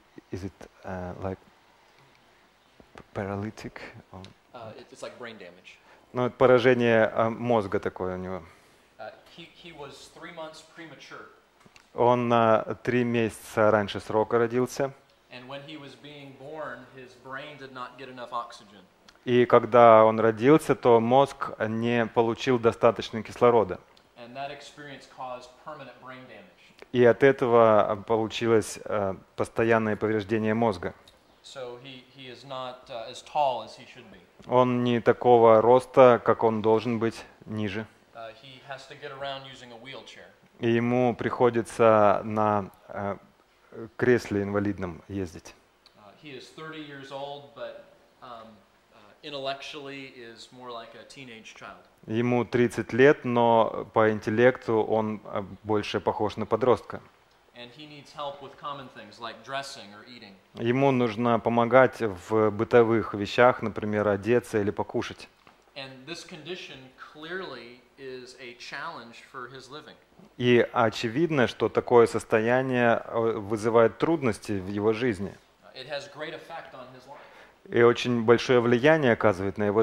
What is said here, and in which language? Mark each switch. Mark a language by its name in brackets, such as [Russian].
[English] Is it like paralytic? Or? It's like brain damage. [Russian] Ну, это поражение мозга такое у него. [English] He was 3 months premature. [Russian] Он на 3 месяца раньше срока родился. [English] And when he was being born, his brain did not get enough oxygen. [Russian] И когда он родился, то мозг не получил достаточно кислорода. [English] And that experience caused permanent brain damage. [Russian] И от этого получилось постоянное повреждение мозга. [English] So he is not as tall as he should be. [Russian] Он не такого роста, как он должен быть, ниже. [English] He has to get around using a wheelchair. [Russian] И ему приходится на кресле инвалидном ездить. [English] He is 30 years old, but intellectually is more like a teenage child. [Russian] Ему 30 лет, но по интеллекту он больше похож на подростка. [English] And he needs help with common things like dressing or eating. [Russian] Ему нужно помогать в бытовых вещах, например, одеться или покушать. [English] And this condition clearly is a challenge for his living. [Russian] И очевидно, что такое состояние вызывает трудности в его жизни. [English] It has great effect on his life. [Russian] И очень большое влияние оказывает на его